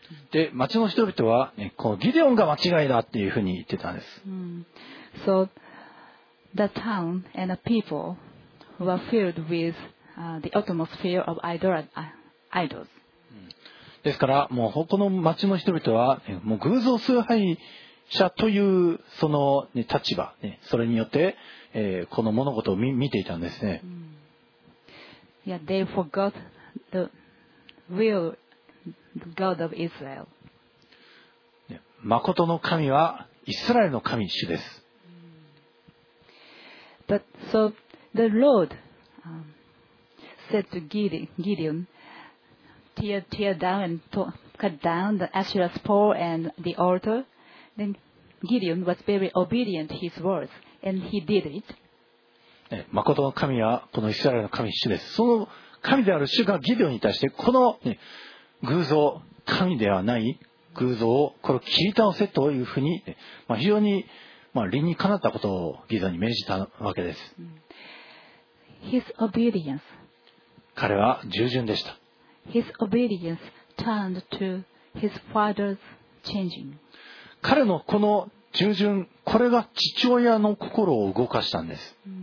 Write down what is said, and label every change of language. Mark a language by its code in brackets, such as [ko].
[ja] で、町の人々は、ね、このギデオンが間違いだっていうふうに言ってたんです。 [en] So, the town and the people were filled with the atmosphere of idols. [ja] ですから、もうこの町の人々は、ね、もう偶像崇拝者というその、ね、立場、ね、それによって、この物事を 見ていたんですね。 [en] Yeah, they forgot the real God of Israel. [ja] 誠の神はイスラエルの神主です。 [en] But so the Lord said to Gideon, tear down and cut down the Asherah pole and the altar. Then Gideon was very obedient to his words, and he did it. [ja] 誠の神はこのイスラエルの神主です。その神である主がギデオンに対してこの、ね偶像、神ではない偶像をこれを切り倒せというふうに、まあ、非常に、まあ、理にかなったことをギデオンに命じたわけです。 [en] His obedience. [ja] 彼は従順でした。 [en] His obedience turned to his father's changing. [ja] 彼のこの従順、これが父親の心を動かしたんです。